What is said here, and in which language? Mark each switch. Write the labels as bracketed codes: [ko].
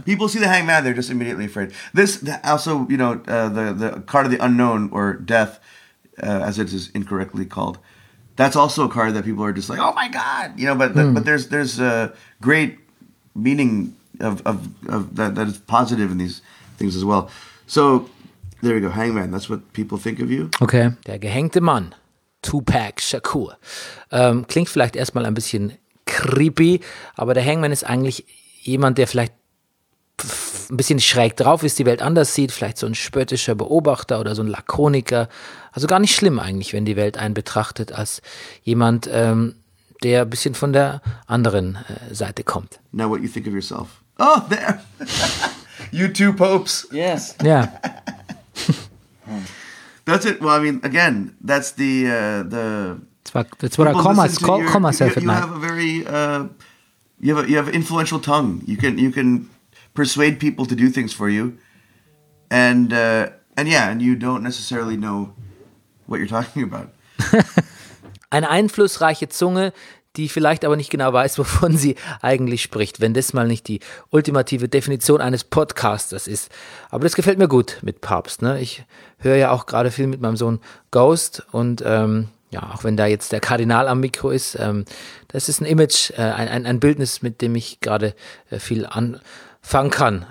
[en] People see the hangman, they're just immediately afraid. This also, you know, the card of the unknown or death, as it is incorrectly called, that's also a card that people are just like, oh my god, you know. But but there's a great meaning of that is positive in these things as well. So there we go, hangman. That's what people think of you. [de] Okay, der gehängte Mann. Tupac Shakur. Klingt vielleicht erstmal ein bisschen creepy, aber der Hangman ist eigentlich jemand, der vielleicht ein bisschen schräg drauf ist, die Welt anders sieht, vielleicht so ein spöttischer Beobachter oder so ein Lakoniker. Also gar nicht schlimm eigentlich, wenn die Welt einen betrachtet als jemand, der ein bisschen von der anderen Seite kommt. [en] Now what you think of yourself. Oh, there! You two popes. Yes. Yeah. That's it. Well, I mean, again, that's the... That's what I call myself call at night. You have an influential tongue. You can persuade people to do things for you. And you don't necessarily know what you're talking about. [de] Eine einflussreiche Zunge, die vielleicht aber nicht genau weiß, wovon sie eigentlich spricht, wenn das mal nicht die ultimative Definition eines Podcasters ist. Aber das gefällt mir gut mit Papst. Ne? Ich höre ja auch gerade viel mit meinem Sohn Ghost und ja, auch wenn da jetzt der Kardinal am Mikro ist, das ist ein Image, ein Bildnis, mit dem ich gerade viel anfangen kann.